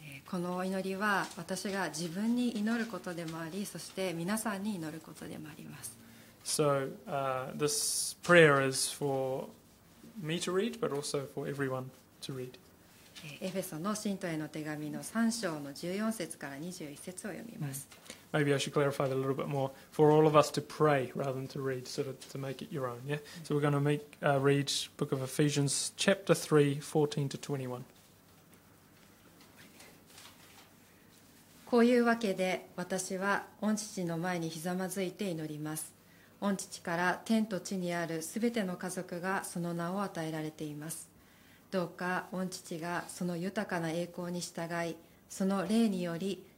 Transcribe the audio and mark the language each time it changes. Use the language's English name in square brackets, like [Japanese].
[Japanese] この祈りは私が自分に祈ることでもあり、そして皆さんに祈ることでもあります。 [English] So, this prayer is forme to read, but also for everyone to read. [Japanese] エフェソの信徒への手紙の3章の14節から21節を読みます。 [English] Maybe I should clarify that a little bit more. For all of us to pray rather than to read, sort of to make it your own, yeah? So we're going to read Book of Ephesians, chapter 3, 14 to 21. [Japanese] こういうわけで私は御父の前にひざまずいて祈ります。御父から天と地にあるすべての家族がその名を与えられています。どうか御父がその豊かな栄光に従い、その霊により